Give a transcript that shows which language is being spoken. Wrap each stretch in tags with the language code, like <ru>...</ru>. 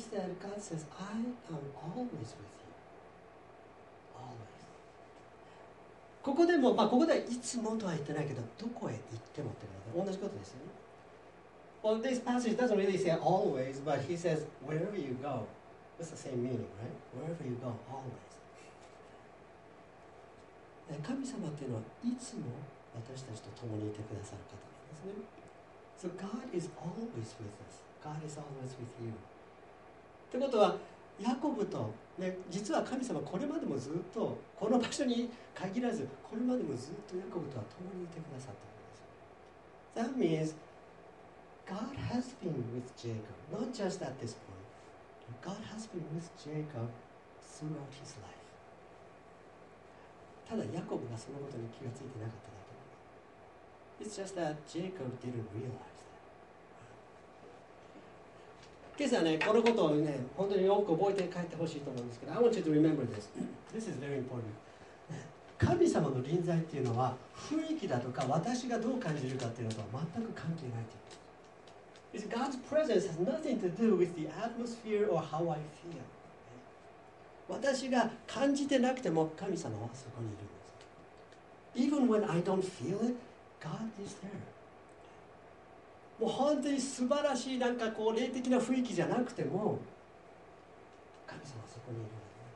<en>Instead, God says, I am always with you. Always.</en> <ja>ここでも、まあ、ここではいつもとは言ってないけど、どこへ行ってもってことで、同じことですよね。</ja> <en>Well, this passage doesn't really say always, but he says wherever you go. That's the same meaning, right? Wherever you go, always.</en> <ja>神様っていうのはいつも私たちと共にいてくださる方なんですね。</ja> <en>So God is always with us. God is always with you.</en> <ja>ってことは、ヤコブと、ね、実は神様これまでもずっと、この場所に限らず、これまでもずっとヤコブとは共にいてくださったんです。</ja> <en>That means God has been with Jacob, not just at this point. God has been with Jacob throughout his life.</en> <ja>ただヤコブがそのことに気がついてなかっただけ。</ja> <en>It's just that Jacob didn't realize that.</en> <ja>今朝ね、このことをね、本当によく覚えて帰ってほしいと思うんですけど、</ja> <en>I want you to remember this. This is very important.</en> <ja>神様の臨在っていうのは、雰囲気だとか私がどう感じるかっていうのとは全く関係ないという。</ja> <en>It's God's presence has nothing to do with the atmosphere or how I feel.</en> <ja>私が感じてなくても神様はそこにいるんです。</ja> <en>Even when I don't feel it, God is there.</en> <ja>もう本当に素晴らしいなんかこう霊的な雰囲気じゃなくても神様はそこにいるんです。</ja>